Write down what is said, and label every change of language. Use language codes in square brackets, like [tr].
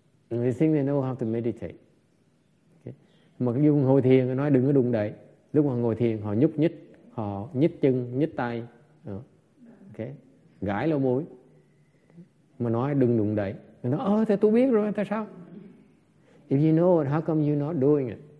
[en] And they think they know how to meditate. [vi] Mà cái dung ngồi thiền nói đừng có đụng đậy. Lúc mà ngồi thiền họ nhúc nhích, họ nhích chân, nhích tay. Okay. Gãi lỗ mũi. Mà nói đừng đụng đậy. Nó nói, thế tôi biết rồi, tại sao? [en] If you know it, how come you're not doing it?